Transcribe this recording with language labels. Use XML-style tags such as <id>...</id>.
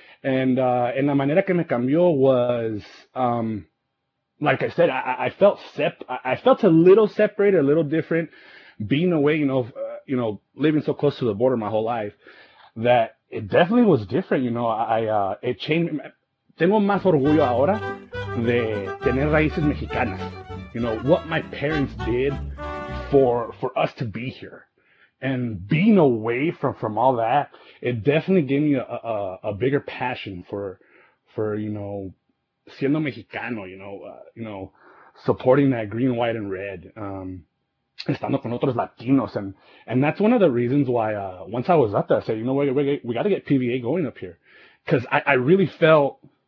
<en>And</en> <es>en la manera que me cambió</es> <en>was, like I said, I felt a little separated, a little different, being away, you know, living so close to the border my whole life, that it definitely was different, you know. It changed me.</en> <es>Tengo más orgullo ahora de tener raíces mexicanas.</es> <en>You know, what my parents did for us to be here. And being away from all that, it definitely gave me a bigger passion for you know,</en> <es>siendo mexicano,</es> <en>you know, supporting that green, white, and red,</en> <es>estando con otros latinos,</es> <en>and that's one of the reasons why once I was up there, I said, you know, we got to get PVA going up here, because I really felt,</en>